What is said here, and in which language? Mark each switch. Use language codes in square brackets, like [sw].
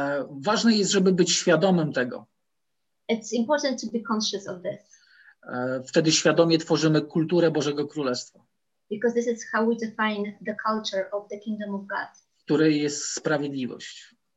[pl] Ważne jest, żeby być świadomym tego. [en] It's important to be conscious of this. [pl] Wtedy świadomie tworzymy kulturę Bożego Królestwa. [en] Because this is how we define the culture of the kingdom of God. [pl] Której jest sprawiedliwość.